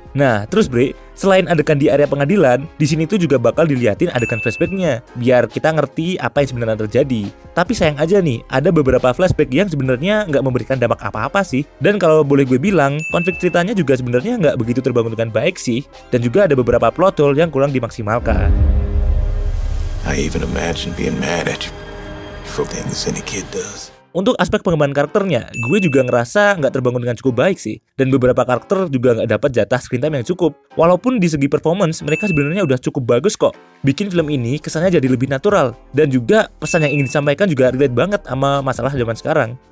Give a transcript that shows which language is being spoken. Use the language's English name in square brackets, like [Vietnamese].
[Indonesian] Nah, terus bre, selain adegan di area pengadilan, di sini tuh juga bakal diliatin adegan flashbacknya, biar kita ngerti apa yang sebenarnya terjadi. Tapi sayang aja nih, ada beberapa flashback yang sebenarnya nggak memberikan dampak apa-apa sih. Dan kalau boleh gue bilang, konflik ceritanya juga sebenarnya nggak begitu terbangun dengan baik sih. Dan juga ada beberapa plot hole yang kurang dimaksimalkan. [English] I even imagine being mad at you for things any kid does. [Indonesian] Untuk aspek pengembangan karakternya, gue juga ngerasa nggak terbangun dengan cukup baik sih. Dan beberapa karakter juga nggak dapat jatah [English] screen time [Indonesian] yang cukup. Walaupun di segi performance, mereka sebenarnya udah cukup bagus kok. Bikin film ini kesannya jadi lebih natural. Dan juga pesan yang ingin disampaikan juga relate banget sama masalah zaman sekarang.